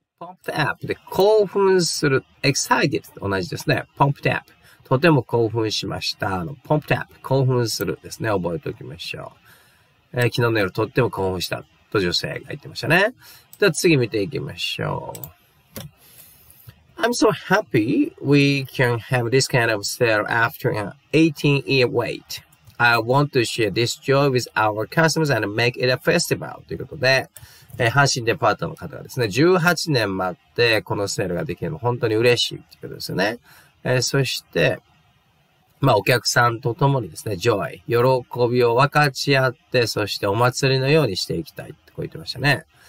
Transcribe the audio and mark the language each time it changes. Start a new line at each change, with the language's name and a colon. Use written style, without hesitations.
Japanese: Pumped up. で、興奮する。excited. 同じですね。pumped up. とても興奮しました。pumped up. 興奮するですね。覚えておきましょう。昨日の夜とっても興奮した。と女性が言ってましたね。では次見ていきましょう。
English: I'm so happy we can have this kind of sale after an 18-year wait. I want to share this joy with our customers and make it a festival.
Japanese: ということで、阪神デパートの方がですね、18年待ってこのセールができるの本当に嬉しいということですよね。そして、まあお客さんと共にですね、joy、喜びを分かち合って、そしてお祭りのようにしていきたいってこう言ってましたね。